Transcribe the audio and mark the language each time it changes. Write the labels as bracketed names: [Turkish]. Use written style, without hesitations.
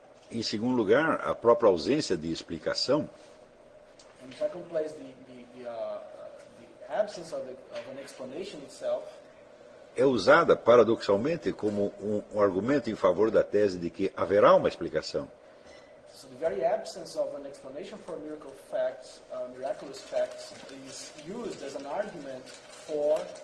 [Portuguese] Em segundo lugar, a própria ausência de explicação. [English] In second place, the absence of an explanation itself. [Portuguese] É usada paradoxalmente como um argumento em favor da tese de que haverá uma explicação. [English] So the very absence of an explanation for miracle facts, miraculous facts, is used as an argument for